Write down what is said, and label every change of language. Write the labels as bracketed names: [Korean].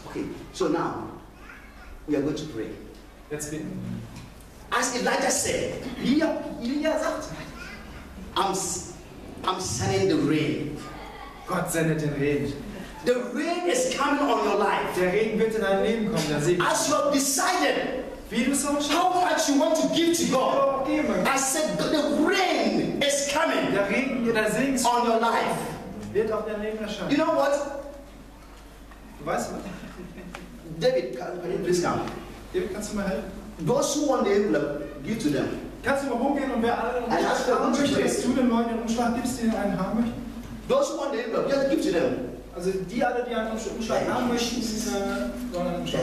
[English] Okay, so now we are going to pray. Let's begin. As Elijah said, [German] Elijah sagt, [English] I'm sending the rain. [German] Gott sendet den Regen. [English] The rain is coming on your life. [German] Der Regen wird in dein Leben kommen, der Segen. [English] As you have decided. How much you want to give to God? I said the rain is coming. [German] Der Regen, der Segen ist [English] on your life. [German] Wird auf dein Leben erscheinen. [English] You know what? [German] Du weißt was? [English] David, can you please come? [German] David, kannst du mal helfen? [English] Those who want the envelope, give to them. [German] Kannst du mal hochgehen und wer alle haben möchte, dass du den Leuten den Umschlag gibst, den einen haben möchte? [English] Those who want the envelope, just give to them. [German] Also die alle, die einen Umschlag haben möchten, sollen einen Umschlag